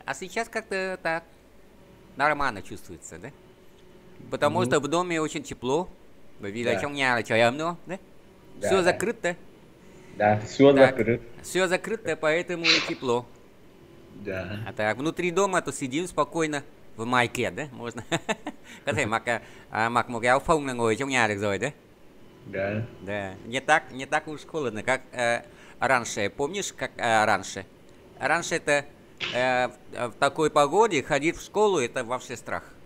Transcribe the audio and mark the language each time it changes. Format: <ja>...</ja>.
<ru>А сейчас как-то так нормально чувствуется, да? Потому что в доме очень тепло. Все закрыто. Все Так, закрыто. все закрыто, поэтому и тепло. А так, внутри дома, то сидим спокойно в майке, да? Можно.</ru> <vi>Có thể mặc mặc một cái áo phông là ngồi trong nhà được rồi đấy.</vi> <ru>Да, не так уж холодно, как раньше. Помнишь, как раньше? Раньше это в такой погоде ходить в школу, это вообще страх.</ru>